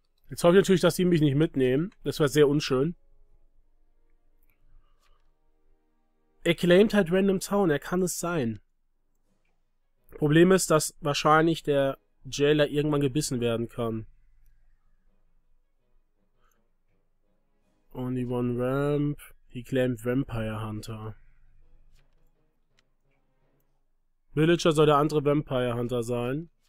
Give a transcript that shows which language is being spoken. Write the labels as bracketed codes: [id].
[de] Jetzt hoffe ich natürlich, dass die mich nicht mitnehmen. Das war sehr unschön. Er claimt halt Random Town. Er kann es sein. Problem ist, dass wahrscheinlich der Jailer irgendwann gebissen werden kann. [en] Only one Ramp. He claimed Vampire Hunter. [de] Villager soll der andere Vampire Hunter sein.